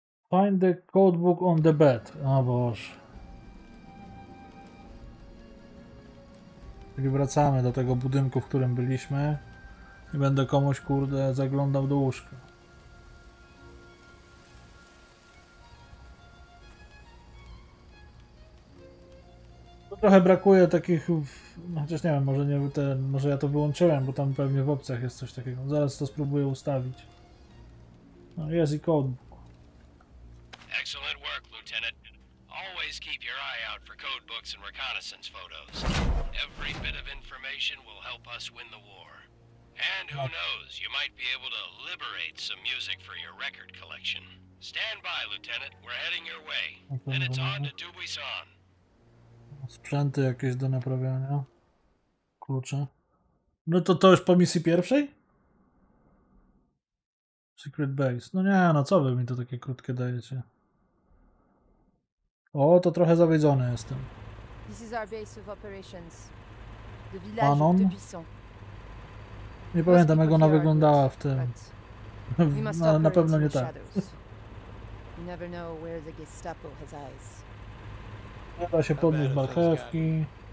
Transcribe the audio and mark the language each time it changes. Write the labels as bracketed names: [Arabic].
[English] Find the codebook on the bed. [Polish] O Boże. Czyli wracamy do tego budynku, w którym byliśmy. I będę komuś, kurde, zaglądał do łóżka. Trochę brakuje takich, chociaż nie wiem, może nie te, może ja to wyłączyłem, bo tam pewnie w opcjach jest coś takiego. Zaraz to spróbuję ustawić. No, jest i codebook. [English] Excellent work, Lieutenant. Always keep your eye out for codebooks and reconnaissance photos. Every bit of information will help us win the war. And who knows, you might be able to liberate some music for your record collection. Stand by, Lieutenant. We're heading your way. And it's on to Dubuisson. [Polish] Sprzęty jakieś do naprawiania. Klucze. No to to już po misji pierwszej? [English] Secret base. [Polish] No nie, no co wy mi to takie krótkie dajecie? O, to trochę zawiedzony jestem. [English] This is our base of operations. The village of Dubuisson. [Polish] Nie pamiętam jak ona wyglądała w tym. Na pewno nie tak. [English] You never know where the Gestapo has eyes. [Polish] Nie da się podnieść marchewki.